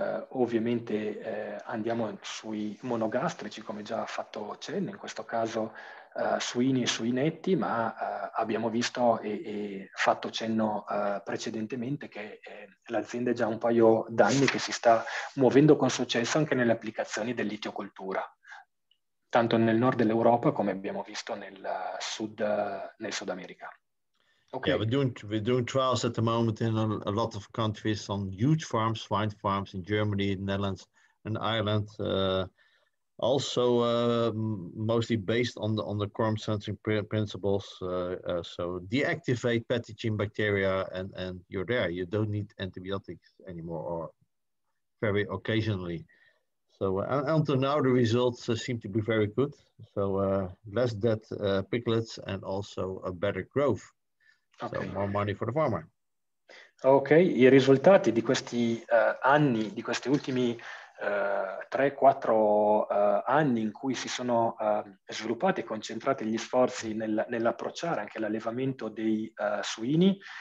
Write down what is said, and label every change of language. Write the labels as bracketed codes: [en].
[it] Ovviamente andiamo sui monogastrici, come già fatto cenno, in questo caso suini e suinetti, ma abbiamo visto e fatto cenno precedentemente che l'azienda è già un paio d'anni che si sta muovendo con successo anche nelle applicazioni dell'itiocoltura, tanto nel nord dell'Europa come abbiamo visto nel Sud America. [en] Okay. Yeah, we're doing trials at the moment in a lot of countries on huge farms, swine farms in Germany, Netherlands, and Ireland. Also, mostly based on the quorum sensing principles. So deactivate pathogen bacteria, and you're there. You don't need antibiotics anymore, or very occasionally. So until now, the results seem to be very good. So less dead piglets, and also a better growth. Okay. So more money for the farmer. [it] Ok, i risultati di questi anni, di questi ultimi 3-4 anni in cui si sono sviluppati e concentrati gli sforzi nell'approcciare anche l'allevamento dei suini,